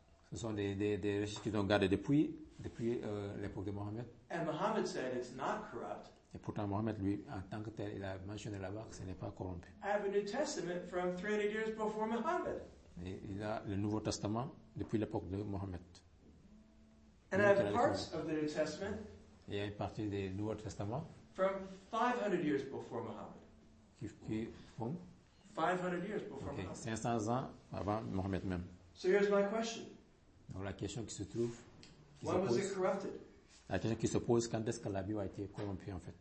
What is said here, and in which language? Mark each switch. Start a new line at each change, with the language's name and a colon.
French: Ce sont des recherches qu'ils ont gardées depuis l'époque de Muhammad.
English: And Muhammad said it's not corrupt.
French: Et pourtant, Mohamed, lui, en tant que tel, il a mentionné là-bas que ce n'est pas corrompu.
English: I have a New Testament from 300 years before Muhammad.
French: Il a le Nouveau Testament depuis l'époque de Mohamed.
English: And I have parts of the New Testament.
French: Il y a une partie du Nouveau Testament.
English: From 500 years before Muhammad.
French: Qui
English: 500 years before okay. Muhammad.
French: 500 ans avant Mohamed même.
English: So here's my question.
French: Donc la question qui se trouve.
English: When was it corrupted?
French: La question qui se pose, quand est-ce que la Bible a été corrompue en fait?